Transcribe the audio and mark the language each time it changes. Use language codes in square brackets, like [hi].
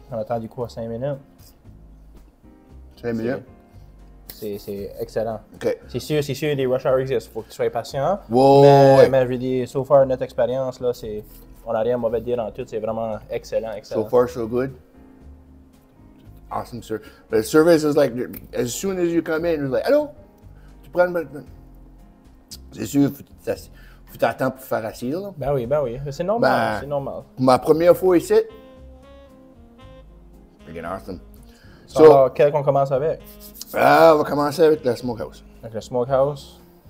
[fr] On attend du coup à 5 minutes. 5 minutes? C'est excellent. [en] Okay. [fr] C'est sûr, les rush hours existent. Il faut que tu sois patient. Whoa. Mais je veux dire, [en] so far, [fr] notre expérience, là, c'est. On n'a rien à mauvais dire en tout, c'est vraiment excellent. [en] So far, so good. Awesome, sir. But the service is like, as soon as you come in, you're like, hello? [fr] Tu prends une bonne. C'est sûr, faut t'attendre pour faire assis, là. Ben oui. C'est normal, c'est normal. Ma première fois ici, [en] freaking awesome. [fr] So alors, quel qu'on commence avec? On va commencer avec le Smokehouse. Avec le Smokehouse.